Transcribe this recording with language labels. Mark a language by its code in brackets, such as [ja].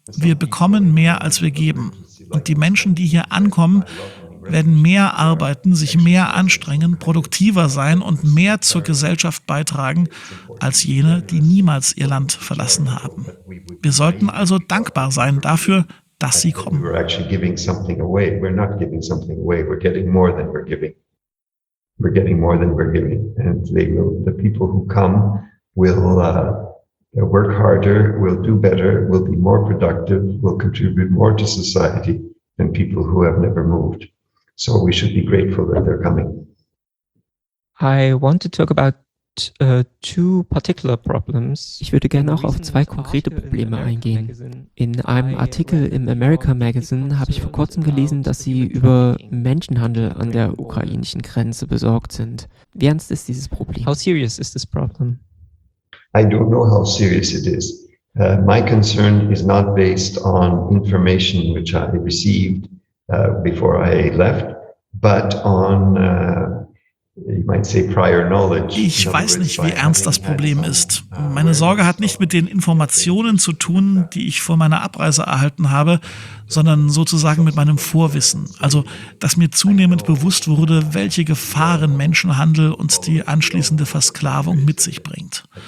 [de] Wir bekommen mehr, als wir geben. Und die Menschen, die hier ankommen, werden mehr arbeiten, sich mehr anstrengen, produktiver sein und mehr zur Gesellschaft beitragen als jene, die niemals ihr Land verlassen haben. Wir sollten also dankbar sein dafür, dass sie kommen. [en] We're actually giving something away. We're not giving something away. We're getting more than we're giving. We're getting more than we're giving. And they will, the people who come will work harder, will do better, will be more productive, will contribute more to society than people who have never moved. So we should be grateful that they're coming. I want to talk about two particular problems. [de] Ich würde gerne auch auf zwei konkrete Probleme eingehen. In einem Artikel im America Magazine habe ich vor kurzem gelesen, dass sie über Menschenhandel an der ukrainischen Grenze besorgt sind. Wie ernst ist dieses Problem? [en] How serious is this problem? I don't know how serious it is. My concern is not based on information which I received before I left, but on you might say prior knowledge. [de] Ich weiß nicht, wie ernst das Problem ist. Meine Sorge hat nicht mit den Informationen zu tun, die ich vor meiner Abreise erhalten habe, sondern sozusagen mit meinem Vorwissen. Also, dass mir zunehmend bewusst wurde, welche Gefahren Menschenhandel und die anschließende Versklavung mit sich bringt.